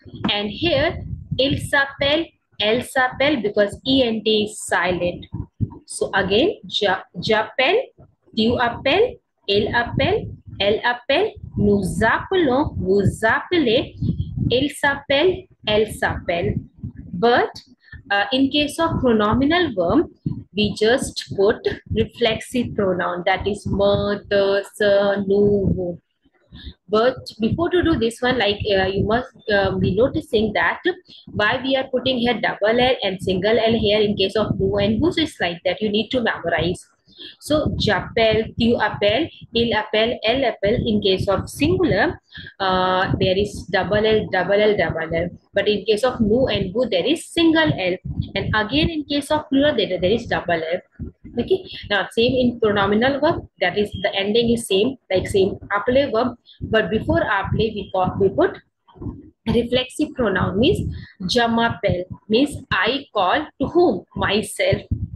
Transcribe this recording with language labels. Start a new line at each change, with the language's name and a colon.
English: And here
French: il s'appelle, elle s'appelle,
English: because E and D is silent.
French: So again, j'appelle, tu appelles, il appelle, elle appelle, nous appelons, vous appelez, il s'appelle, elle s'appelle.
English: But in case of pronominal verb, we just put reflexive pronoun, that is mother, sir, nous. But before to do this one, like you must be noticing that why we are putting here double L and single L here in case of who and who. So it's like that, you need to memorize.
French: So j'appelle, tu appelles, il appelle, elle appelle.
English: In case of singular, there is double L, double L, double L. But in case of nous and vous, there is single L. And again, in case of plural, there is double L. Okay. Now, same in pronominal verb. That is, the ending is same, like same appeler verb. But before appeler, we put reflexive pronoun, means
French: je m'appelle,
English: means I call to whom? Myself.